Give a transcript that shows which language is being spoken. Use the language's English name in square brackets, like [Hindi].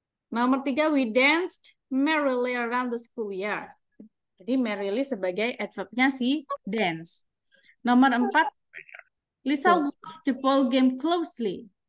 [Indonesian] Nomor tiga, [English] we danced merrily around the school year. [Indonesian] Jadi merrily sebagai adverbnya si dance. Nomor empat, [English] Lisa watched the ball game closely.